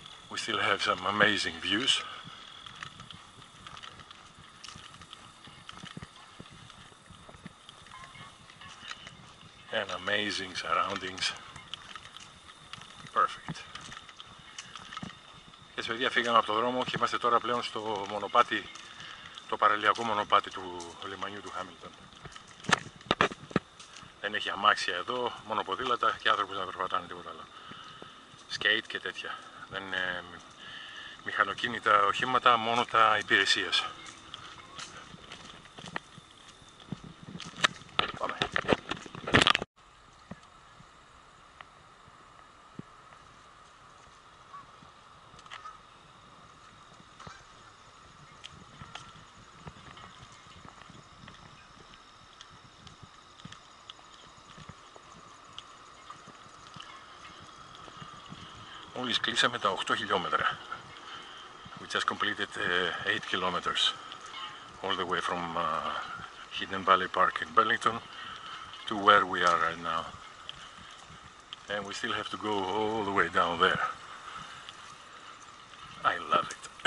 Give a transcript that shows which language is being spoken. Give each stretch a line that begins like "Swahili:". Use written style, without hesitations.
English: We still have some amazing views. And amazing surroundings. Perfect.
Greek: Έτσι, παιδιά, φύγαμε από το δρόμο και είμαστε τώρα πλέον στο μονοπάτι. Το παραλιακό μονοπάτι του λιμανιού του Χάμιλτον. Δεν έχει αμάξια εδώ, μόνο ποδήλατα και άνθρωποι να περπατάνε, τίποτα άλλο. Σκέιτ και τέτοια. Δεν είναι μηχανοκίνητα οχήματα, μόνο τα υπηρεσίες. Μόλις κλείσαμε τα 8 χιλιόμετρα.
English: We just completed 8 kilometers all the way from Hidden Valley Park in Burlington to where we are right now. And we still have to go all the way down there. I love it.